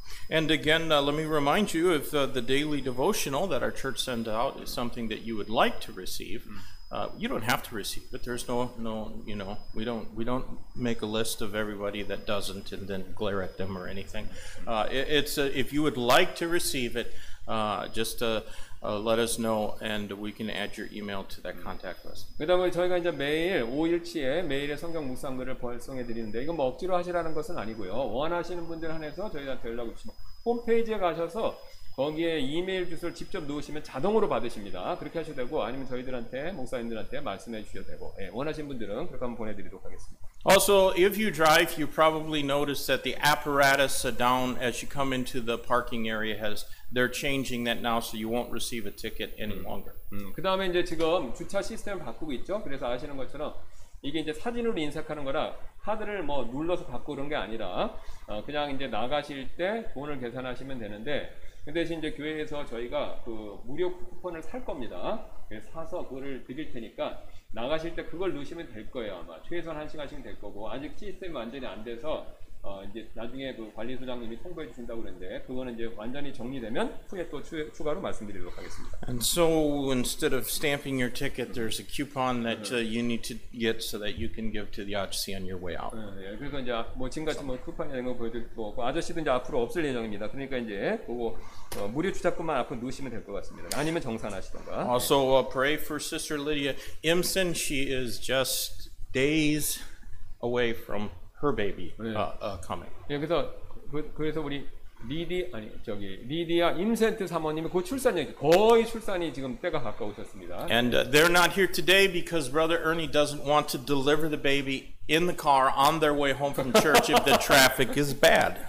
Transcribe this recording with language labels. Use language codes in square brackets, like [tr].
[en] And again, let me remind you of the daily devotional that our church sends out is something that you would like to receive. You don't have to receive, but there's no, you know, we don't make a list of everybody that doesn't and then glare at them or anything. If you would like to receive it, let us know and we can add your email to that contact list. [ko] 그다음에 저희가 이제 매일 5일치에 매일의 성경 묵상글을 발송해 드리는데 이건 뭐 억지로 하시라는 것은 아니고요. 원하시는 분들 한해서 저희한테 연락 주시면 홈페이지에 가셔서 거기에 이메일 주소를 직접 넣으시면 자동으로 받으십니다. 그렇게 하셔도 되고 아니면 저희들한테 목사님들한테 말씀해 주셔도 되고 예, 원하시는 분들은 그렇게 한번 보내드리도록 하겠습니다. [en] Also, if you drive, you probably notice that the apparatus down as you come into the parking area has they're changing that now, so you won't receive a ticket any longer. [ko] 그다음에 이제 지금 주차 시스템을 바꾸고 있죠. 그래서 아시는 것처럼 이게 이제 사진으로 인쇄하는 거라 카드를 뭐 눌러서 바꾸는 게 아니라 그냥 이제 나가실 때 돈을 계산하시면 되는데. 그 대신 이제 교회에서 저희가 그 무료 쿠폰을 살 겁니다. 사서 그거를 드릴 테니까 나가실 때 그걸 넣으시면 될 거예요. 아마 최소한 한 시간씩은 될 거고 아직 시스템이 완전히 안 돼서 이제 나중에 그 관리소장님이 통보해 주신다고 그랬는데 그거는 이제 완전히 정리되면 후에 또 추가로 말씀드리도록 하겠습니다. [en] And so instead of stamping your ticket, there's a coupon that you need to get so that you can give to the RC on your way out. [ko] 예, 그래서 이제 뭐 지금까지 뭐 쿠폰 이런 거 보여드릴 수도 없고 아저씨도 이제 앞으로 없을 예정입니다. 그러니까 이제 그거 무료 주차권만 앞으로 놓으시면 될 것 같습니다. 아니면 정산하시던가. [en] Also, pray for Sister Lydia Imsen. She is just days away from. Her baby coming. [ko] 예, 그래서 그래서 우리 리디 아니 저기 리디아 임센트 사모님이 곧 출산 얘기 거의 출산이 지금 때가 가까우셨습니다. [en] And they're not here today because Brother Ernie doesn't want to deliver the baby in the car on their way home from church if the traffic is bad.